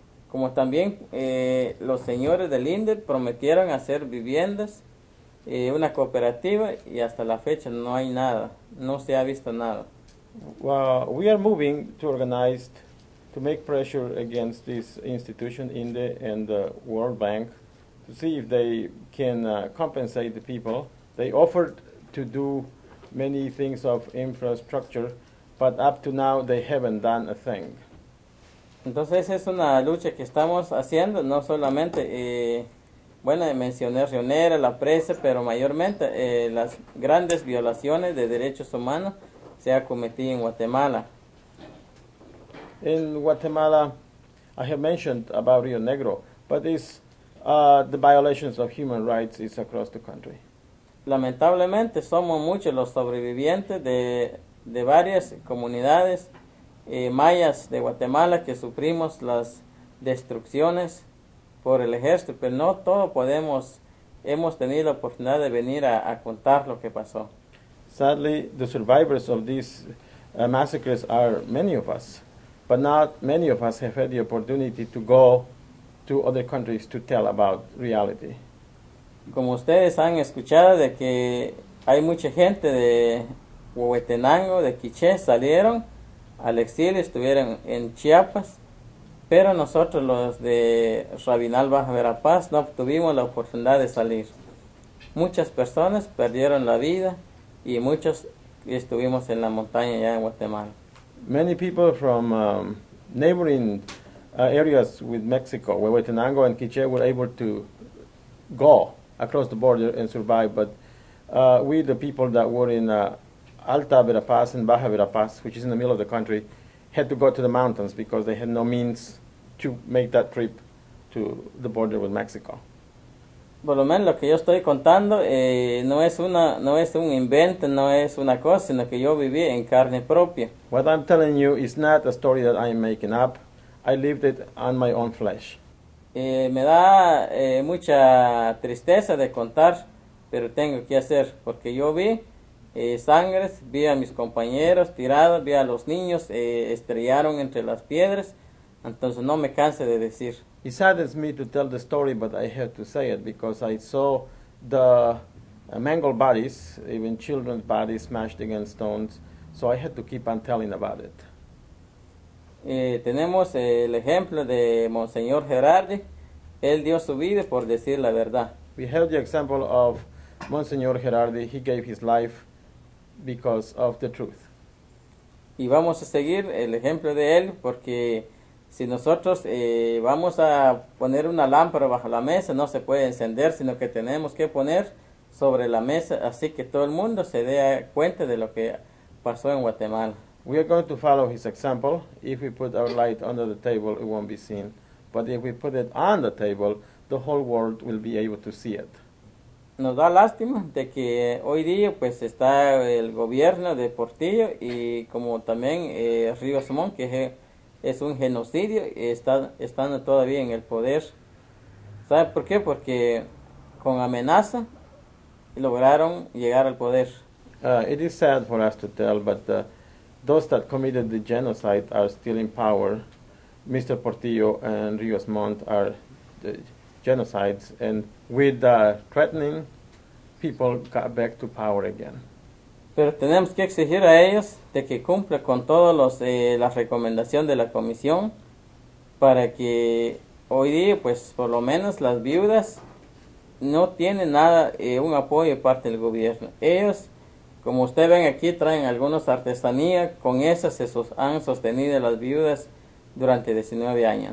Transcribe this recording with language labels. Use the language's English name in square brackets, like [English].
[Spanish] Como también los señores del INDE prometieron hacer viviendas una cooperativa y hasta la fecha no hay nada, no se ha visto nada. [English] Well, we are moving to organize to make pressure against this institution, INDE and the World Bank, to see if they can compensate the people. They offered to do many things of infrastructure, but up to now they haven't done a thing. [Spanish] Entonces es una lucha que estamos haciendo, no solamente, bueno, mencioné Río Negro, la presa, pero mayormente las grandes violaciones de derechos humanos se han cometido en Guatemala. [English] In Guatemala, I have mentioned about Río Negro, but it's the violations of human rights is across the country. [Spanish] Lamentablemente, somos muchos los sobrevivientes de varias comunidades mayas de Guatemala que sufrimos las destrucciones por el ejército, pero no todo podemos, hemos tenido la oportunidad de venir a contar lo que pasó. [English] Sadly, the survivors of these massacres are many of us, but not many of us have had the opportunity to go to other countries to tell about reality. [Spanish] Como ustedes han escuchado de que hay mucha gente de Huehuetenango, de Quiché, salieron al exilio, estuvieron en Chiapas, pero nosotros los de Rabinal Baja Verapaz no tuvimos la oportunidad de salir. Muchas personas perdieron la vida y muchos estuvimos en la montaña allá en Guatemala. [English] Many people from neighboring areas with Mexico, Huehuetenango and Quiché, were able to go across the border and survive, but we, the people that were in Alta Verapaz and Baja Verapaz, which is in the middle of the country, had to go to the mountains because they had no means to make that trip to the border with Mexico. [Spanish] Por lo menos lo que yo estoy contando no es un invento, no es una cosa, sino que yo viví en carne propia. [English] What I'm telling you is not a story that I'm making up. I lived it on my own flesh. [Spanish] Me da mucha tristeza de contar, pero tengo que hacer, porque yo vi sangres, vi a mis compañeros tirados, vi a los niños estrellaron entre las piedras, entonces no me canse de decir. [English] It saddens me to tell the story, but I have to say it because I saw the mangled bodies, even children's bodies smashed against stones, so I had to keep on telling about it. [Spanish] Tenemos el ejemplo de Monseñor Gerardi. Él dio su vida por decir la verdad. [English] We have the example of Monseñor Gerardi. He gave his life because of the truth. [Spanish] Y vamos a seguir el ejemplo de él porque si nosotros vamos a poner una lámpara bajo la mesa, no se puede encender, sino que tenemos que poner sobre la mesa así que todo el mundo se dé cuenta de lo que pasó en Guatemala. [English] We are going to follow his example. If we put our light under the table, it won't be seen. But if we put it on the table, the whole world will be able to see it. [Spanish] Nos da lástima de que hoy día pues está el gobierno de Portillo y como también Río Simón, que es un genocidio, y están todavía en el poder. ¿Sabe por qué? Porque con amenaza lograron llegar al poder. [English] It is sad for us to tell, but those that committed the genocide are still in power. Mr. Portillo and Rios Montt are the genocides, and with the threatening, people got back to power again. [Spanish] Pero tenemos que exigir a ellos de que cumpla con todos los la recomendación de la comisión para que hoy día, pues, por lo menos las viudas no tienen nada un apoyo de parte del gobierno. Ellos, como ustedes ven aquí, traen algunas artesanías, con esas han sostenido las viudas durante 19 años.